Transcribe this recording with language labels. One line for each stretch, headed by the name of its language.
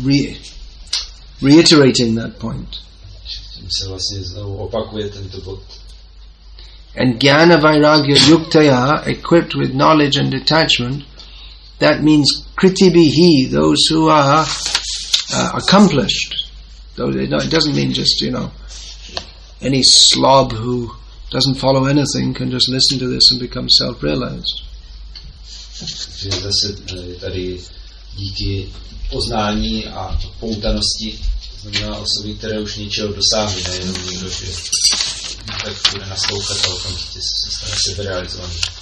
English: It's reiterating that point.
Czech: Tím se vlastně znovu opakuje tento bod.
English: And jnana vairagya yuktaya, equipped with knowledge and detachment, that means kritibihi, those who are accomplished. Though it doesn't mean just, you know, any slob who doesn't follow anything can just listen to this and become self-realized.
Czech: Zase tady díky poznání a poutanosti znamená osoby, které už něčeho dosáhly, nejenom někdo, že tak bude naslouchat, ale tam se stane seberealizovaný.